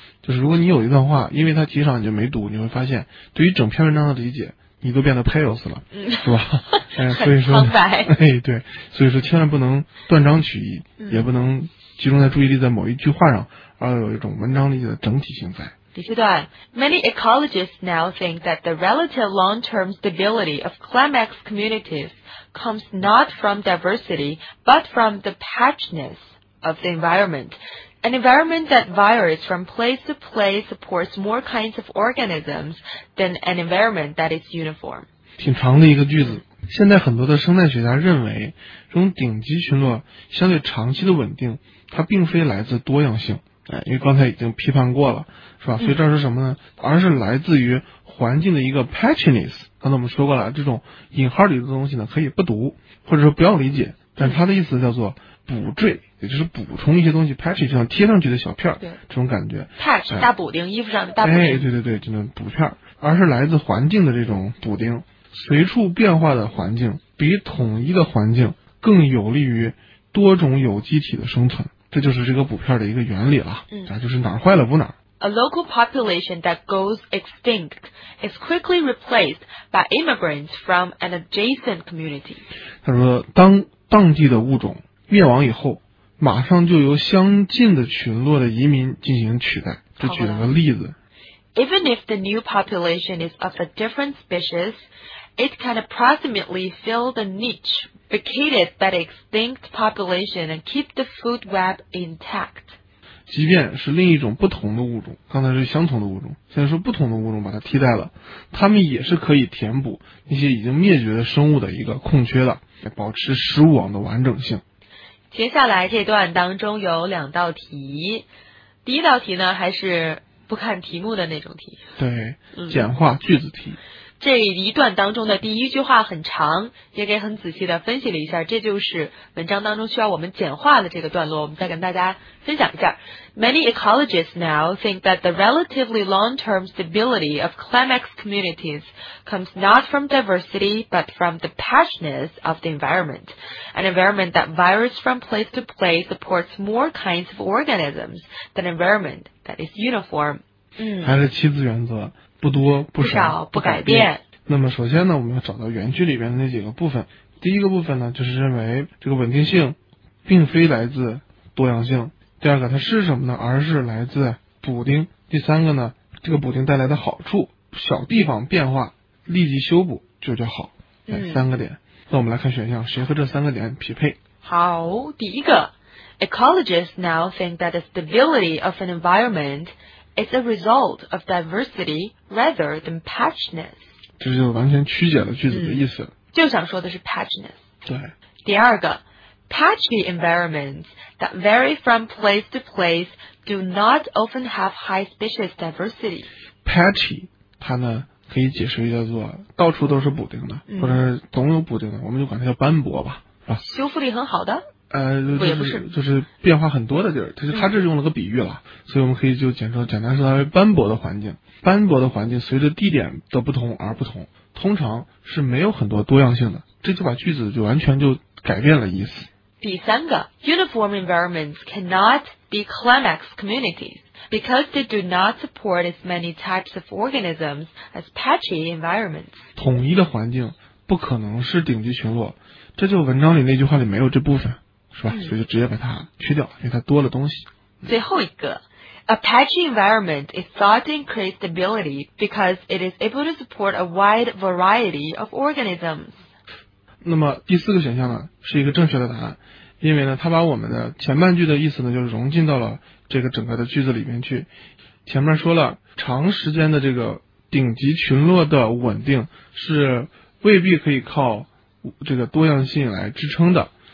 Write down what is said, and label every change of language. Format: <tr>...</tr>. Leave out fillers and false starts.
<zh>就是如果你有一段话，因为它题上你就没读，你会发现对于整篇文章的理解，你都变得 pales 了，是吧？嗯，哎，所以说，很苍白。哎，对，所以说千万不能断章取义，也不能集中在注意力在某一句话上，而有一种文章力的整体性在。第七段</zh> <en>，Many ecologists now think that the relative long-term stability of climax communities comes not from diversity but from the patchiness of the environment. An environment that varies from place to place supports more kinds of organisms than an environment that is uniform.</en> <zh>挺长的一个句子。现在很多的生态学家认为，这种顶级群落相对长期的稳定，它并非来自多样性，哎，因为刚才已经批判过了，是吧？所以这是什么呢？而是来自于环境的一个 patchiness。刚才我们说过了，这种引号里的东西呢，可以不读，或者说不要理解，但它的意思叫做补缀，也就是补充一些东西 ，patch 就像贴上去的小片，这种感觉。 patch，哎，大补丁，衣服上的大补丁。哎，对对对，就那补片，而是来自环境的这种补丁。随处变化的环境比统一的环境更有利于多种有机体的生存，这就是这个补片的一个原理了。嗯，就是哪儿坏了补哪儿。</zh> <en>A local population that goes extinct is quickly replaced by immigrants from an adjacent community.</en> <zh>他说，当地的物种灭亡以后，马上就由相近的群落的移民进行取代。就举了个例子。</zh> <en>Even if the new population is of a different species, it can approximately fill the niche vacated by the extinct population and keep the food web intact.</en> <zh>即便是另一种不同的物种，刚才是相同的物种，现在说不同的物种把它替代了，它们也是可以填补那些已经灭绝的生物的一个空缺的，保持食物网的完整性。接下来这段当中有两道题，第一道题呢还是不看题目的那种题，对，简化句子题。这一段当中的第一句话很长，也给很仔细的分析了一下，这就是文章当中需要我们简化的这个段落，我们再跟大家分享一下。</zh> <en>Many ecologists now think that the relatively long-term stability of climax communities comes not from diversity, but from the patchiness of the environment. An environment that varies from place to place supports more kinds of organisms than an environment that is uniform.</en> <zh>还是七字原则，不多不少不改变。那么首先呢，我们要找到原句里边的那几个部分。第一个部分呢，就是认为这个稳定性并非来自多样性。第二个，它是什么呢？而是来自补丁。第三个呢，这个补丁带来的好处，小地方变化立即修补就叫好。三个点，那我们来看选项，谁和这三个点匹配？好，第一个</zh> <en>，Ecologists now think that the stability of an environmentIt's a result of diversity rather than patchiness.</en> <zh>这就完全曲解了句子的意思。就想说的是 patchiness. 对。第二个</zh> <en>,patchy environments that vary from place to place do not often have high species diversity.</en> <zh>Patchy, 它呢可以解释叫做到处都是补丁的，或者是总有补丁的，我们就管它叫斑驳吧。修复力很好的。就是变化很多的地儿，它这是用了个比喻了，所以我们可以就简单说它为斑驳的环境。斑驳的环境随着地点的不同而不同，通常是没有很多多样性的，这就把句子就完全就改变了意思。第三个</zh> <en>,uniform environments cannot be climax communities, because they do not support as many types of organisms as patchy environments.</en> <zh>统一的环境不可能是顶级群落，这就文章里那句话里没有这部分。是吧，所以就直接把它去掉，因为它多了东西。最后一个</zh> <en>,a patchy environment is thought to increase stability because it is able to support a wide variety of organisms.</en> <zh>那么第四个选项呢是一个正确的答案，因为呢它把我们的前半句的意思呢就融进到了这个整个的句子里面去。前面说了长时间的这个顶级群落的稳定是未必可以靠这个多样性来支撑的。</zh>